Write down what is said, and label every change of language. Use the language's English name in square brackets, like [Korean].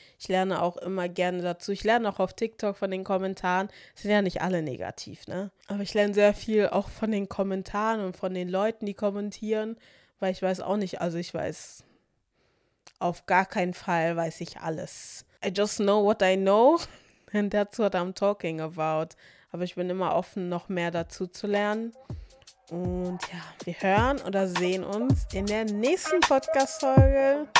[German] Ich lerne auch immer gerne dazu. Ich lerne auch auf TikTok von den Kommentaren. Sind ja nicht alle negativ, ne? Aber ich lerne sehr viel auch von den Kommentaren und von den Leuten, die kommentieren, weil ich weiß auch nicht, also ich weiß auf gar keinen Fall weiß ich alles. [English] I just know what I know and that's what I'm talking about. [German] Aber ich bin immer offen, noch mehr dazu zu lernen. Und ja, wir hören oder sehen uns in der nächsten Podcast-Folge.